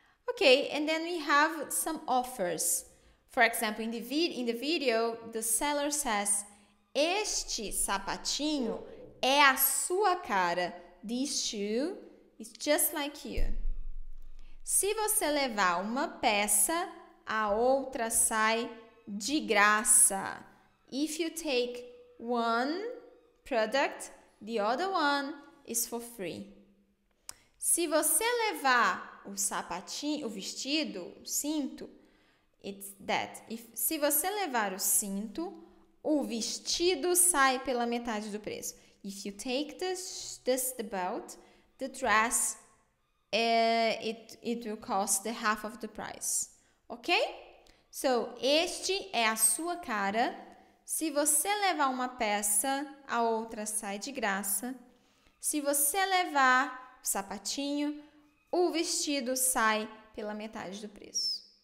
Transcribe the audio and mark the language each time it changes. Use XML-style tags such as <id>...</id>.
<en>Okay, and then we have some offers. For example, in the video, the seller says,</en> <pt>este sapatinho é a sua cara.</pt> <en>This shoe is just like you.</en> <pt>Se você levar uma peça, a outra sai de graça.</pt> <en>If you take one product, the other one is for free.</en> <pt>Se você levar o sapatinho, o vestido, o cinto,</pt> <en>it's that.</en> <pt>Se você levar o cinto, o vestido sai pela metade do preço.</pt> <en>If you take this the belt, the dress, it will cost the half of the price. Ok? So,</en> <pt>este é a sua cara. Se você levar uma peça, a outra sai de graça. Se você levar o sapatinho, o vestido sai pela metade do preço.</pt>